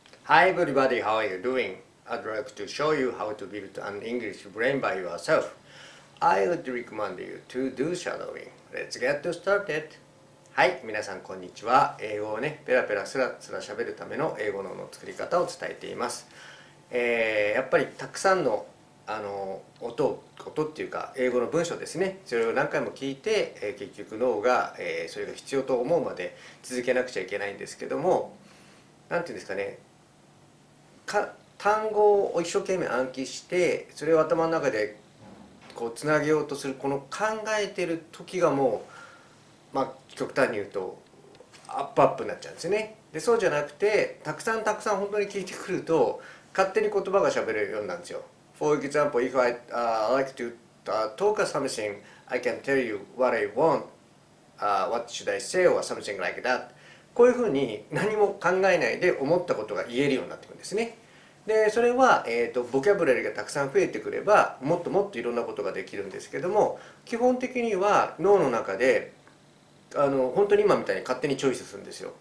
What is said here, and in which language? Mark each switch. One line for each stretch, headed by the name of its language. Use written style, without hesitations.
English: Hi everybody, how are you doing? I'd like to show you how to build an English brain by yourself. I would recommend you to do shadowing. Let's get started.
Japanese: はい、皆さんこんにちは。英語をね、ペラペラスラスラ喋るための英語 の作り方を伝えています。やっぱりたくさんの音っていうか英語の文章ですね、それを何回も聞いて、結局脳が、それが必要と思うまで続けなくちゃいけないんですけども、なんていうんですかね、単語を一生懸命暗記して、それを頭の中でこうつなげようとする、この考えてる時がもう、まあ極端に言うとアップアップになっちゃうんですね。でそうじゃなくて、たくさんたくさん本当に聞いてくると勝手に言葉が喋れるようになるんですよ。
English: For example, if I like to talk something, I can tell you what I want, what should I say, or something like that.
Japanese: こういうふうに何も考えないで思ったことが言えるようになってくるんですね。で、それは、ボキャブラリーがたくさん増えてくれば、もっともっといろんなことができるんですけども、基本的には脳の中で、本当に今みたいに勝手にチョイスするんですよ。